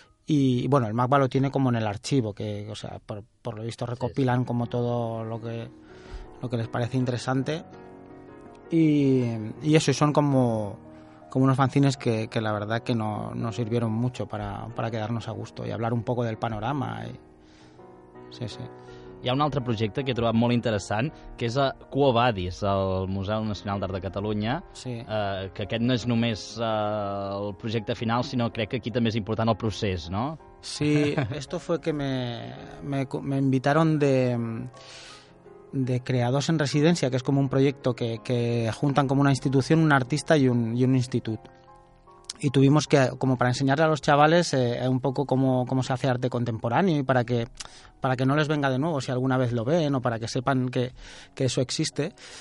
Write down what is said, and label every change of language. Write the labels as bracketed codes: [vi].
[es] Y bueno, el Magba lo tiene como en el archivo, que, o sea, por lo visto recopilan como todo lo que les parece interesante. Y eso, y son como unos fanzines que la verdad que no sirvieron mucho para quedarnos a gusto y hablar un poco del panorama. Y, sí, sí. [ca] Hi ha un altre projecte que he trobat molt interessant, que és a Quo Vadis, al Museu Nacional d'Art de Catalunya. Sí. Que aquest no és només el projecte final, sinó crec que aquí també és important el procés, no? [es] Sí, esto fue que me invitaron de Creadors en Residencia, que es como un proyecto que juntan como una institución, un artista y un instituto. Y tuvimos que, como para enseñarle a los chavales un poco cómo se hace arte contemporáneo y para que no les venga de nuevo si alguna vez lo ven o para que sepan que eso existe.